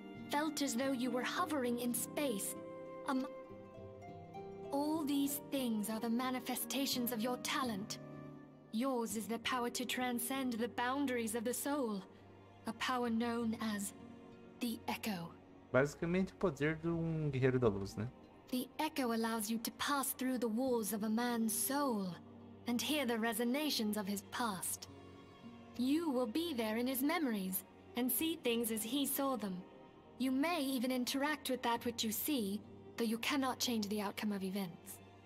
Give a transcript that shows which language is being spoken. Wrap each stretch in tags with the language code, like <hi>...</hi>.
<en>Felt as though you were hovering in space, All these things are the manifestations of your talent. Yours is the power to transcend the boundaries of the soul, a power known as the Echo.</en> <pt>Basicamente o poder de um guerreiro da luz, né?</pt> <en>The Echo allows you to pass through the walls of a man's soul and hear the resonations of his past. You will be there in his memories and see things as he saw them. You may even interact with that which you see, though you cannot change the outcome of events.</en>